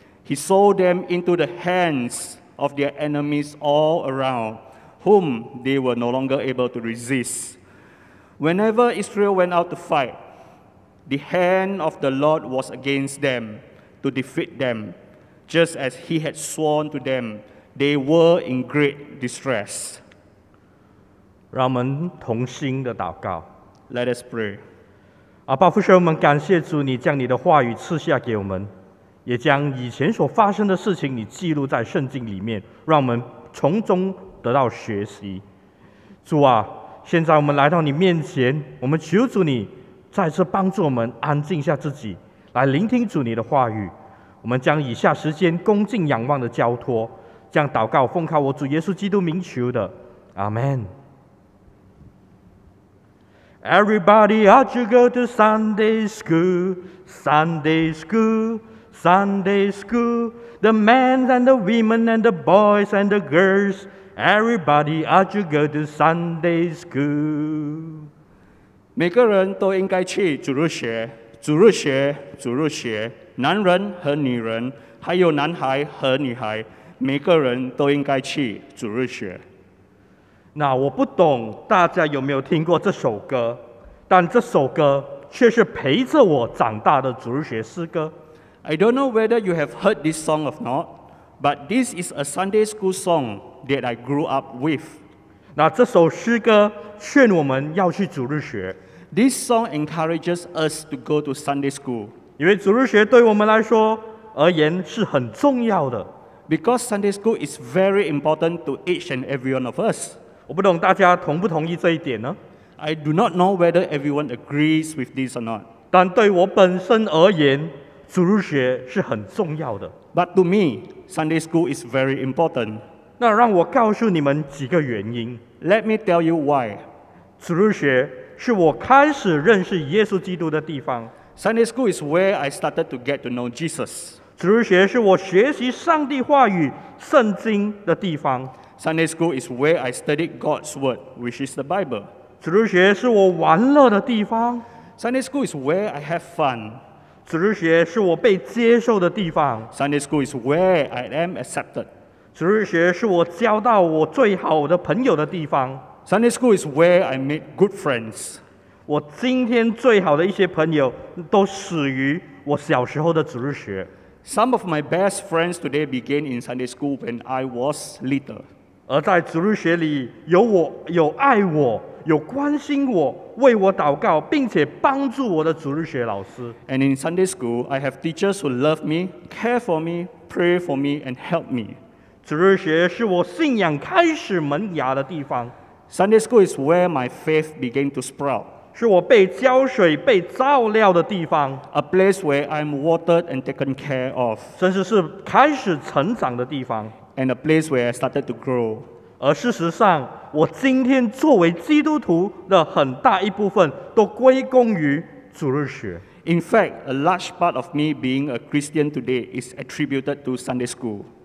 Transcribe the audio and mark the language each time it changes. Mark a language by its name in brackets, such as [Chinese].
[English] He sold them into the hands of their enemies all around, whom they were no longer able to resist. Whenever Israel went out to fight, the hand of the Lord was against them to defeat them, just as he had sworn to them. They were in great distress. [Chinese] 让我们同心的祷告。 [English] Let us pray. [Chinese] 阿爸父神，我们感谢主，你将你的话语赐下给我们，也将以前所发生的事情你记录在圣经里面，让我们从中得到学习。主啊，现在我们来到你面前，我们求主你再次帮助我们安静下自己，来聆听主你的话语。我们将以下时间恭敬仰望的交托，将祷告奉靠我主耶稣基督名求的，阿们。 [English] Everybody, how'd you go to Sunday school? Sunday school, Sunday school. The men and the women and the boys and the girls. Everybody, how'd you go to Sunday school? [Chinese] 每个人都应该去主日学，主日学，主日学。男人和女人，还有男孩和女孩，每个人都应该去主日学。那我不懂大家有没有听过这首歌，但这首歌却是陪着我长大的主日学诗歌。 [English] I don't know whether you have heard this song or not, but this is a Sunday school song.That I grew up with. [Chinese] 那这首诗歌劝我们要去主日学。 [English] This song encourages us to go to Sunday school. [Chinese] 因为主日学对我们来说而言是很重要的。 [English] Because Sunday school is very important to each and every one of us. [Chinese] 我不懂大家同不同意这一点呢？ [English] I do not know whether everyone agrees with this or not. [Chinese] 但对我本身而言，主日学是很重要的。 [English] But to me, Sunday school is very important. [Chinese] 那让我告诉你们几个原因。 [English] Let me tell you why. [Chinese] 主日学是我开始认识耶稣基督的地方。 [English] Sunday school is where I started to get to know Jesus. [Chinese] 主日学是我学习上帝话语、圣经的地方。 [English] Sunday school is where I studied God's word, which is the Bible. [Chinese] 主日学是我玩乐的地方。 [English] Sunday school is where I have fun. [Chinese] 主日学是我被接受的地方。 [English] Sunday school is where I am accepted. [Chinese] 主日学是我交到我最好的朋友的地方。 [English] Sunday school is where I made good friends. [Chinese] 我今天最好的一些朋友都始于我小时候的主日学。 [English] Some of my best friends today began in Sunday school when I was little. [Chinese] 而在主日学里，有我，有爱我，有关心我，为我祷告，并且帮助我的主日学老师。 [English] And in Sunday school, I have teachers who love me, care for me, pray for me, and help me. [Chinese] 主日学是我信仰开始萌芽的地方。 [English] Sunday school is where my faith began to sprout. [Chinese] 是我被浇水、被照料的地方。 [English] A place where I'm watered and taken care of. [Chinese] 甚至是开始成长的地方。 [English] And a place where I started to grow. [Chinese] 而事实上，我今天作为基督徒的很大一部分都归功于主日学。 [English] In fact, a large part of me being a Christian today is attributed to Sunday school.